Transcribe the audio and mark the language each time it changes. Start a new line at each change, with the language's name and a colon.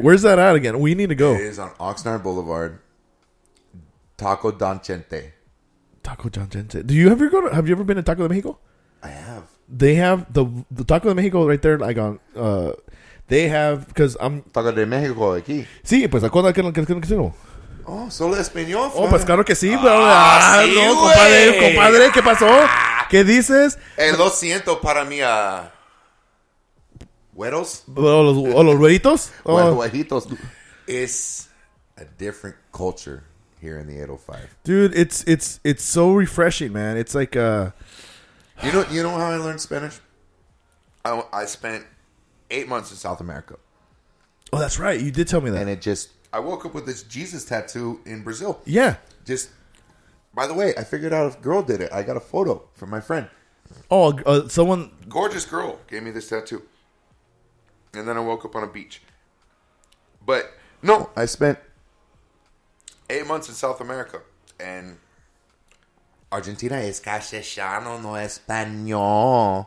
English: Where's that at again? We need to go. It is on Oxnard Boulevard. Taco Don Chente. Taco Don Chente. Have you ever been to Taco de Mexico? I have. They have the Taco de Mexico right there, like on they have, because I'm
Spanish: Taco de Mexico aquí. Sí, pues acuerda que es que no. Oh, solo español. Oh, pues claro que sí, pero sí, no, compadre, ¿qué pasó? ¿Qué dices? Lo siento para mi güeros. O los güeritos.
English: Es a different culture. here in the 805. Dude, it's so refreshing, man. It's like you know how I learned Spanish? I spent 8 months in South America. Oh, that's right. You did tell me that. And I woke up with this Jesus tattoo in Brazil. Yeah. Just, by the way, I figured out if a girl did it. I got a photo from my friend. Oh, someone. Gorgeous girl gave me this tattoo. And then I woke up on a beach. But, no, I spent 8 months in South America.
Spanish: And Argentina es castellano, no español.